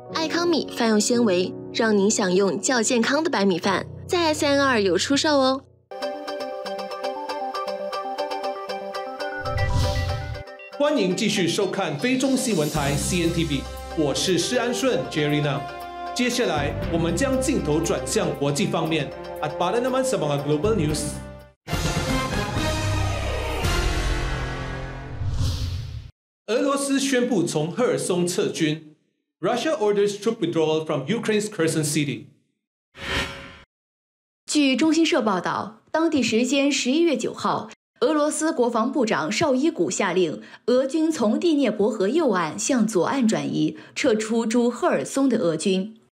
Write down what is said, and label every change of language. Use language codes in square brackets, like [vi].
[zh] 爱康米饭用纤维，让您享用较健康的白米饭，在 SNR 有出售哦。欢迎继续收看菲中新闻台 CNTV， 我是施安顺 Jerry Nam。接下来，我们将镜头转向国际方面。 [tl] At bala naman sa mga global news。 [zh] 俄罗斯宣布从赫尔松撤军。 [en] Russia orders troop withdrawal from Ukraine's Kherson city。 [zh] 据中新社报道，当地时间11月9号，俄罗斯国防部长绍伊古下令俄军从第聂伯河右岸向左岸转移，撤出驻赫尔松的俄军。